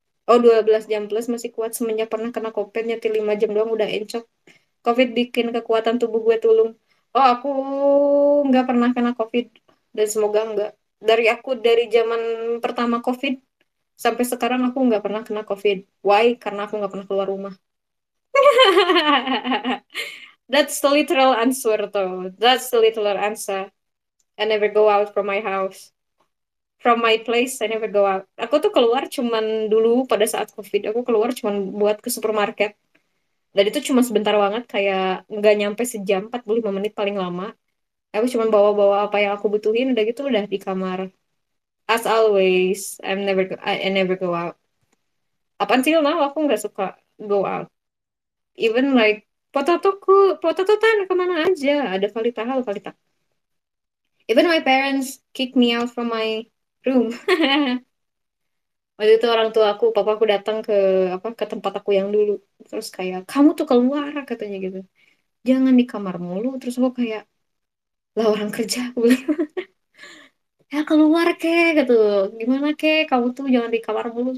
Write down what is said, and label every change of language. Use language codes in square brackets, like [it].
[id] Oh, 12 jam plus masih kuat. Semenjak pernah kena COVID, nyetir 5 jam doang udah encok. COVID bikin kekuatan tubuh gue tulung. Oh, aku nggak pernah kena COVID. Dan semoga nggak. Dari zaman pertama COVID, sampai sekarang aku nggak pernah kena COVID. Why? Karena aku nggak pernah keluar rumah. [en] That's the literal answer, though. That's the literal answer. I never go out from my house. From my place, I never go out. [id] Aku tuh keluar cuman dulu pada saat COVID. Aku keluar cuman buat ke supermarket. Dan itu cuma sebentar banget, kayak nggak nyampe sejam, 45 menit paling lama. Aku cuma bawa-bawa apa yang aku butuhin, udah gitu udah di kamar. [en] As always, I never go out. Up until now, [id] aku nggak suka go out. [en] Even like, [id] pototan kemana aja. Ada valita hal, valita. [en] Even my parents kick me out from my room. [id] Waktu itu orang tua aku, papa aku datang ke apa ke tempat aku yang dulu. Terus kayak, kamu tuh keluar, katanya gitu. Jangan di kamar mulu. Terus aku kayak, lah orang kerja. Ya keluar kek, gitu. Gimana kek, kamu tuh jangan di kamar mulu.